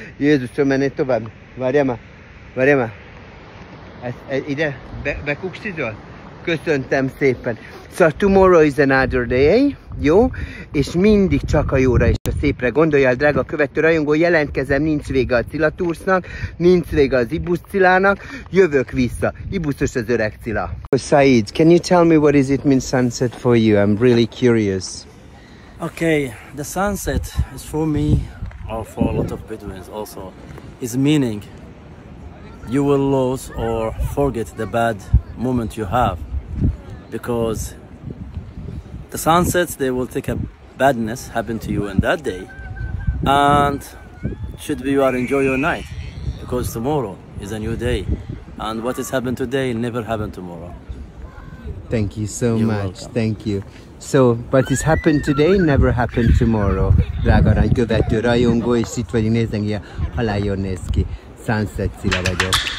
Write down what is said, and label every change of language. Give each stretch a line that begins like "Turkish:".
Hungarian: Jézusom, menj tovább, várjál már. Ide, bekukszidol? Köszöntöm szépen. Szóval
English: tomorrow is another day,
Hungarian: jó? És mindig csak a jóra és a szépre gondoljál, drága követő rajongó, jelentkezem, nincs vége a Cilla Toursnak, nincs vége az Ibus Cillának, jövök vissza. Ibuszos az öreg Cilla.
English: Said, can you tell me what is it mean sunset for you? I'm really curious. Okay, the sunset is for me, or for a lot of Bedouins also, is meaning you will lose or forget the bad moment you have. Because the sunsets, they will take a badness happen to you in that day, and should be you are enjoy your night, because tomorrow is a new day, and what has happened today never happen tomorrow. Thank you so You're much. Welcome. Thank you. So, what has happened today never happen tomorrow.
Hungarian: Drága rajongó, és itt vagyunk, nézzen ki, halál jól néz ki. Sunset Cilla vagyok.